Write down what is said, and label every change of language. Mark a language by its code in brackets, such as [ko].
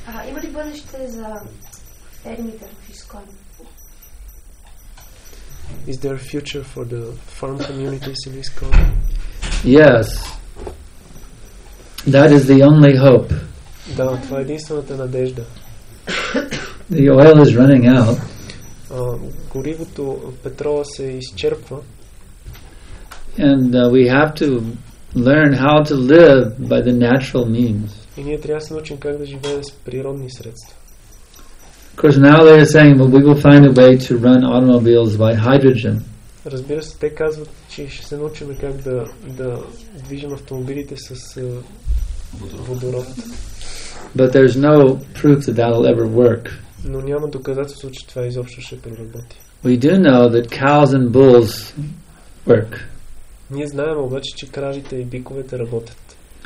[bg] Има ли бъдеще за фермите в Искон? [en] Is there a future for the farm communities in Искон? Yes. That is the only hope. [bg] Да, това е единствената надежда. [en] The oil is running out. [bg] Горивото, петрола се изчерпва. [en] And we have to learn how to live by the natural means. [bg] И ние трябва да се научим как да живеем с природни средства. [en] Because now they are saying, well, we will find a way to run automobiles by hydrogen. [bg] Разбира се, те казват, че ще се научим как да движим автомобилите с водород. [en] But there's no proof that that'll ever work. [bg] Но няма доказателство, че това изобщо ще проработи. [en] We do know that cows and bulls work. [bg] Ние знаем обаче, че кравите и биковете работят.